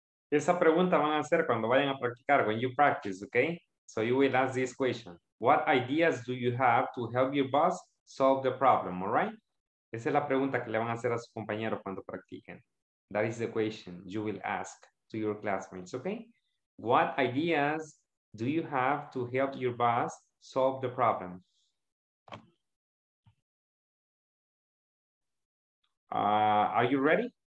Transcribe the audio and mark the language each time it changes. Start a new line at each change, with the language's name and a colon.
Spanish: Esa pregunta van a hacer cuando vayan a practicar,
English: when you practice,
Spanish: okay?
English: So you will ask this question. What ideas do you have to help your boss solve the problem, all right?
Spanish: Esa es la pregunta que le van a hacer a su compañero cuando practiquen.
English: That is the question you will ask to your classmates, okay? What ideas do you have to help your boss solve the problem? Are you ready?